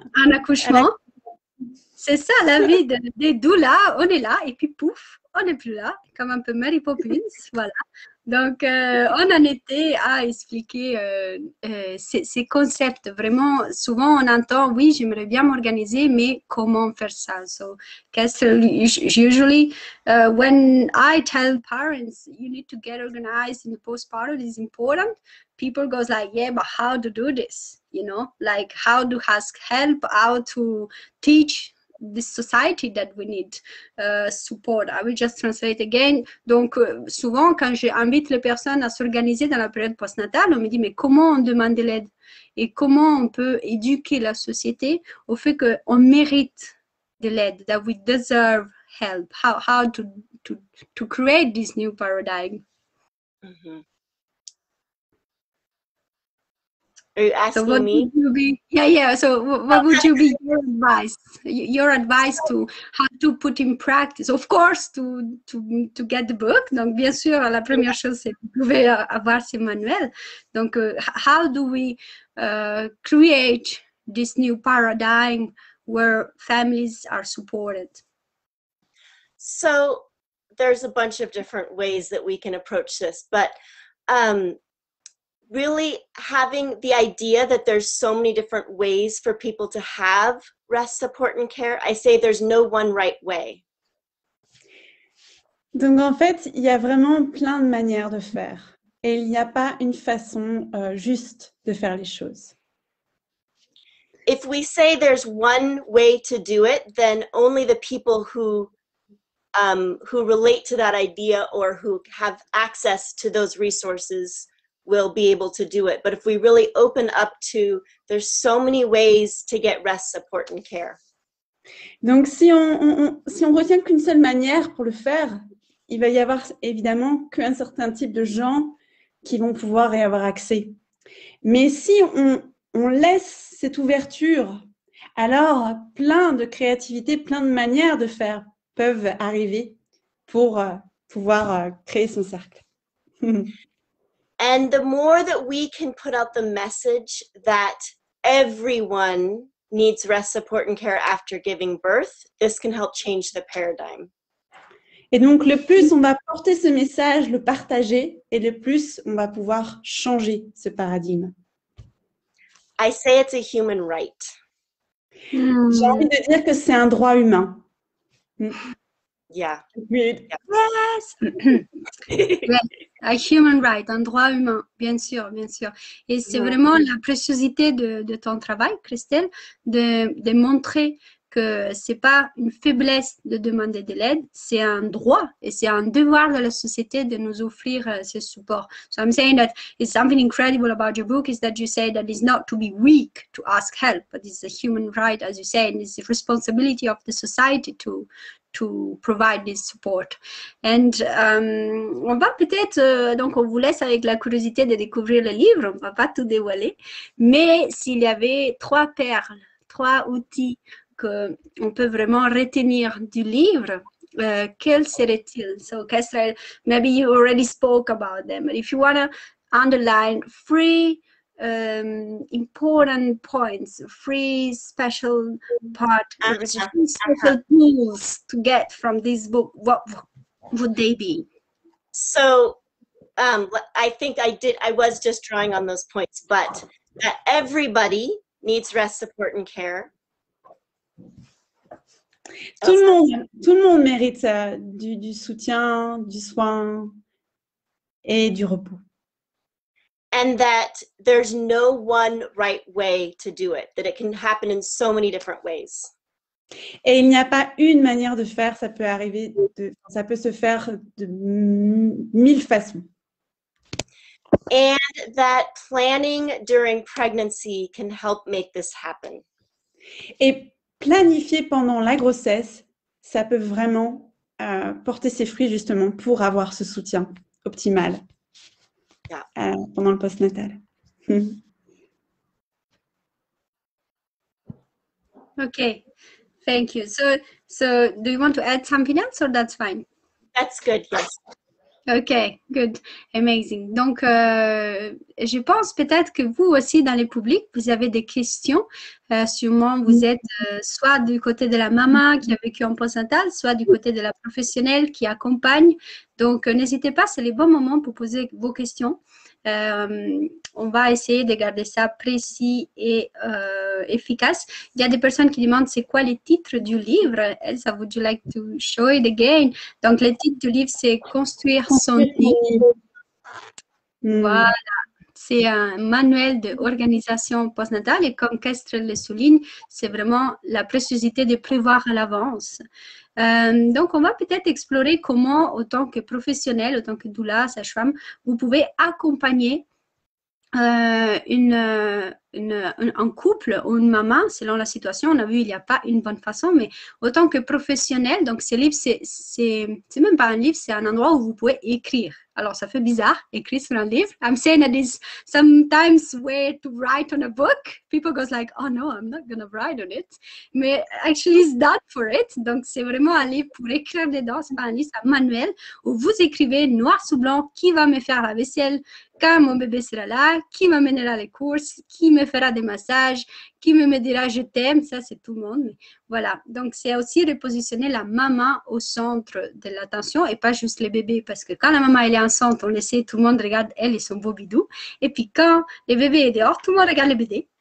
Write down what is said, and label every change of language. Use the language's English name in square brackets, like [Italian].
[French] un accouchement. C'est ça la vie des doulas. On est là et puis pouf, on n'est plus là, comme un peu Mary Poppins, voilà. Donc, on en était à expliquer ces concepts. Vraiment, souvent, on entend, oui, j'aimerais bien m'organiser, mais comment faire ça? [English] So, Kestrel, usually, when I tell parents, you need to get organized in the postpartum, it's important, people goes like, yeah, but how to do this? You know, like, how to ask help, how to teach this society that we need support. I will just translate again. [French] Donc, souvent, quand j'invite les personnes à s'organiser dans la période postnatale, on me dit, mais comment on demande l'aide? Et comment on peut éduquer la société au fait qu'on mérite de l'aide, [English] that we deserve help? How to create this new paradigm? Are you asking me? So what would you be your advice? Your advice to how to put in practice? Of course, to get the book. [French] Donc, bien sûr, la première chose, c'est que vous pouvez avoir ce manuel. [English] Donc, how do we create this new paradigm where families are supported? So there's a bunch of different ways that we can approach this, but really having the idea that there's so many different ways for people to have rest, support, and care. I say there's no one right way. [French] Donc en fait, il y a vraiment plein de manières de faire et il n'y a pas une façon juste de faire les choses. [English] If we say there's one way to do it, then only the people who relate to that idea or who have access to those resources will be able to do it. But if we really open up to there's so many ways to get rest, support, and care. [French] Donc si on retient qu'une seule manière pour le faire, il va y avoir évidemment qu'un certain type de gens qui vont pouvoir y avoir accès. Mais si on laisse cette ouverture, alors plein de créativité, plein de manières de faire peuvent arriver pour pouvoir créer son cercle. [English] And the more that we can put out the message that everyone needs rest, support and care after giving birth, this can help change the paradigm. [French] Et donc, le plus on va porter ce message, le partager, et le plus on va pouvoir changer ce paradigme. [English] I say it's a human right. [French] J'ai envie de dire que c'est un droit humain. [English] Yeah. A human right, [French] un droit humain, bien sûr, bien sûr. Et c'est vraiment la préciosité de ton travail, Christelle, de montrer que ce n'est pas une faiblesse de demander de l'aide, c'est un droit et c'est un devoir de la société de nous offrir ce support. [English] So I'm saying that it's something incredible about your book is that you say that it's not to be weak to ask help, but it's a human right, as you say, and it's the responsibility of the society to provide this support. [French] And on va peut-être, donc on vous laisse avec la curiosité de découvrir le livre, on va pas tout dévoiler, mais s'il y avait trois perles, trois outils qu'on peut vraiment retenir du livre, quels seraient-ils? [English] So Kestrel, maybe you already spoke about them, but if you want to underline three important points, three special part, special tools to get from this book, what would they be? So I think I was just drawing on those points, but that everybody needs rest, support and care. [French] Tout le monde mérite du soutien, du soin et du repos. [English] And that there's no one right way to do it, that it can happen in so many different ways. [French] Et il n'y a pas une manière de faire, ça peut arriver, ça peut se faire de mille façons. [English] And that planning during pregnancy can help make this happen. [French] Et planifier pendant la grossesse, ça peut vraiment porter ses fruits justement pour avoir ce soutien optimal. Pendant le postnatal. [English] Okay, thank you. So do you want to add something else or that's fine? That's good, yes. Okay, good, amazing. [French] Donc, je pense peut-être que vous aussi dans le public, vous avez des questions. Sûrement, vous êtes soit du côté de la maman qui a vécu en postnatal, soit du côté de la professionnelle qui accompagne. Donc, n'hésitez pas, c'est le bon moment pour poser vos questions. On va essayer de garder ça précis et efficace. Il y a des personnes qui demandent c'est quoi le titre du livre. [English] Elsa, would you like to show it again? [French] Donc, le titre du livre, c'est Construire son lit. Voilà. C'est un manuel d'organisation postnatale et comme Kestrel le souligne, c'est vraiment la préciosité de prévoir à l'avance. Donc, on va peut-être explorer comment, autant que professionnel, autant que doula, sage-femme, vous pouvez accompagner un couple ou une maman, selon la situation. On a vu, il n'y a pas une bonne façon, mais autant que professionnel, donc ce livre, c'est même pas un livre, c'est un endroit où vous pouvez écrire. Alors, ça fait bizarre, écrire sur un livre. [English] I'm saying that it's sometimes way to write on a book. People goes like, oh no, I'm not gonna write on it. Mais actually, it's done for it. [French] Donc, c'est vraiment un livre pour écrire dedans. C'est pas un livre, c'est un manuel où vous écrivez noir sur blanc, qui va me faire la vaisselle, quand mon bébé sera là, qui m'amènera les courses, qui me fera des massages, qui me dira je t'aime, ça c'est tout le monde. Mais voilà, donc c'est aussi repositionner la maman au centre de l'attention et pas juste les bébés, parce que quand la maman elle est en centre, on le sait, tout le monde regarde elle et son beau bidou, et puis quand les bébés sont dehors, tout le monde regarde les bébés.